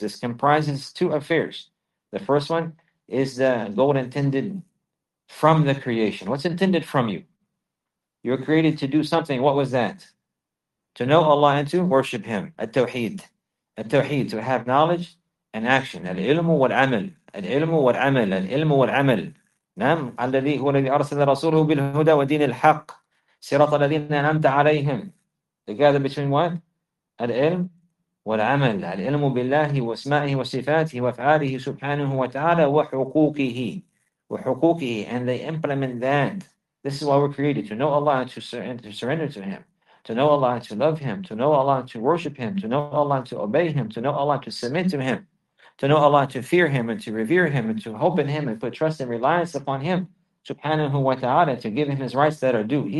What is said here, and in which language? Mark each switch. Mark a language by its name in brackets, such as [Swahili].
[English] This comprises two affairs. The first one is the goal intended from the creation. What's intended from you? You're created to do something. What was that? To know Allah and to worship Him. At-tawheed. At-tawheed. To have knowledge and action. [Arabic] Al-ilmu wal-amal. Al-ilmu wal-amal. Al-ilmu wal-amal. نعم الذي هو الذي أرسل رسوله بالهدى ودين الحق صراط الذين أنعمت عليهم [English] The gather between what? [Arabic] العلم والعمل العلم بالله واسمائه وصفاته وافعاله سبحانه وتعالى وحقوقه وحقوقه [English] And they implement that This is why we're created To know Allah and to surrender to Him To know Allah and to love Him To know Allah and to worship Him To know Allah and to obey Him To know Allah and to submit to Him To know Allah, to fear Him, and to revere Him, and to hope in Him, and put trust and reliance upon Him, subhanahu wa ta'ala, to give Him His rights that are due.